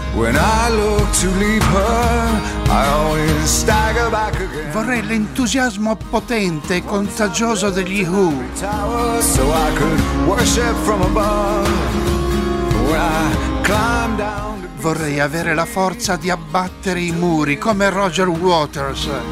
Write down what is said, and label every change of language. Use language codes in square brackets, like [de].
[en] When I look to leave her, I always stagger back again. [it] Vorrei l'entusiasmo potente e contagioso degli Who. [en] So I could worship from above. When I climb down, [it] vorrei avere la forza di abbattere i muri come Roger Waters.